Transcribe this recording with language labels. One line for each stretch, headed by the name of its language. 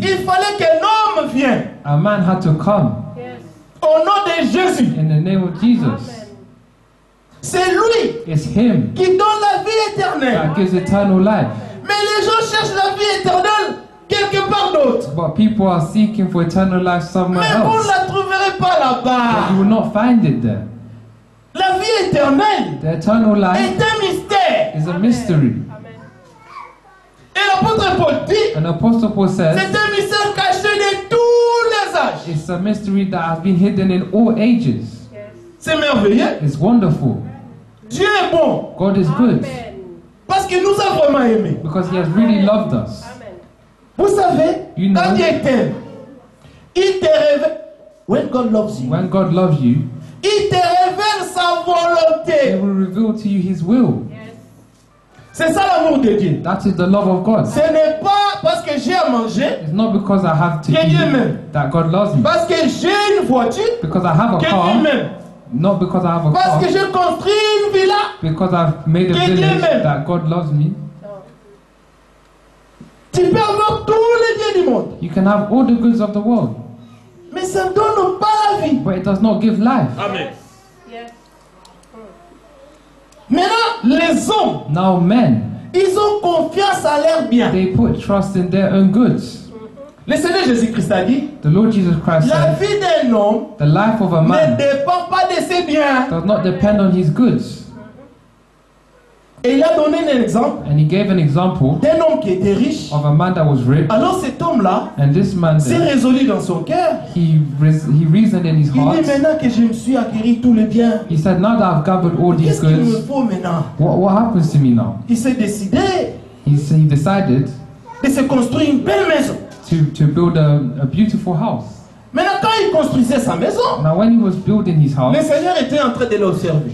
French: Il fallait qu'un homme vienne.
English: A man had to come. Yes.
French: Au nom de Jésus.
English: In the name of Jesus. Amen.
French: C'est lui
English: it's him
French: qui donne la vie éternelle.
English: That gives eternal life.
French: Mais les gens cherchent la vie éternelle quelque part d'autre.
English: But people are seeking for eternal life somewhere
French: mais
English: else.
French: Mais vous ne la trouverez pas là-bas.
English: But you will not find it there.
French: La vie éternelle.
English: The eternal life
French: est un mystère.
English: Is a mystery. Amen.
French: Et l'apôtre Paul dit.
English: An apostle Paul says.
French: C'est un mystère caché de tous les âges.
English: It's a mystery that has been hidden in all ages.
French: C'est merveilleux.
English: It's wonderful.
French: Dieu est bon.
English: God is good. Amen.
French: Parce qu'il nous a vraiment aimés.
English: Because he has really loved us. Amen.
French: Vous savez,
English: you know,
French: quand Dieu t'aime, il te révèle.
English: When God loves you. When God loves you.
French: Il te révèle sa volonté.
English: He will reveal to you his will. Yes.
French: C'est ça l'amour de Dieu.
English: That is the love of God.
French: Ce n'est pas parce que j'ai à manger.
English: It's not because I have to
French: que
English: eat.
French: Dieu m'aime.
English: That God loves me.
French: Parce que j'ai une voiture.
English: Because I have a
French: que
English: car.
French: Dieu m'aime.
English: Not because I have a
French: parce
English: car.
French: Que je construis une villa.
English: Because I've made a village that God loves me. Oh.
French: Tu peux avoir tous les biens du monde.
English: You can have all the goods of the world.
French: Mais ça ne donne pas la vie.
English: But it does not give life. Amen. Yes.
French: les hommes,
English: now men,
French: ils ont confiance à leur bien.
English: They put trust in their own goods.
French: Le Seigneur Jésus-Christ a dit,
English: the Lord Jesus Christ
French: la vie d'un homme,
English: the life of a man,
French: ne dépend pas de ses biens.
English: Does not depend on his goods.
French: Et il a donné un exemple,
English: and he gave an example,
French: d'un homme qui était riche,
English: of a man that was rich.
French: Alors cet homme-là,
English: and this man
French: s'est there, résolu dans son cœur.
English: He reasoned in his
French: il
English: heart.
French: Il dit maintenant que je me suis acquéri tous les biens.
English: He said, now that I've gathered all these
French: qu'est-ce
English: goods,
French: qu'est-ce qu'il me faut maintenant?
English: What happens to me now?
French: Il s'est décidé.
English: He decided
French: de se construire une belle maison.
English: To build a beautiful house.
French: Maintenant quand il construisait sa maison,
English: now when he was building his house,
French: le Seigneur était en train de l'observer.